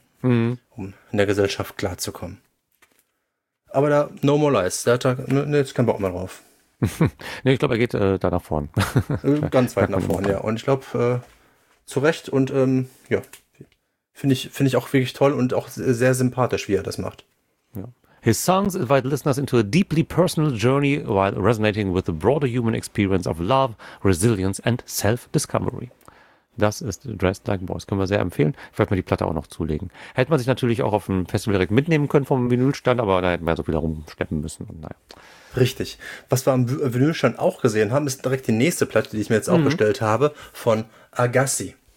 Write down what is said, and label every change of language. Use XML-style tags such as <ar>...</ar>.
<de>Um in der Gesellschaft klarzukommen. Aber da,</de> <en>no more lies,</en> <de>da hat er jetzt keinen Bock mehr drauf. Nee, ich glaube, er geht da nach vorn. Ganz weit nach vorn, ja. Und ich glaube, zu Recht und ja. Finde ich auch wirklich toll und auch sehr sympathisch, wie er das macht. Ja.</de> <en>His songs invite listeners into a deeply personal journey while resonating with the broader human experience of love, resilience and self-discovery.</en> <de>Das ist Dressed Like Boys. Können wir sehr empfehlen. Ich werde mir die Platte auch noch zulegen. Hätte man sich natürlich auch auf dem Festival direkt mitnehmen können vom Vinylstand, aber da hätten wir so viel rumschleppen müssen. Und naja. Richtig. Was wir am Vinylstand auch gesehen haben, ist direkt die nächste Platte, die ich mir jetzt auch bestellt habe, von Agassi.</de>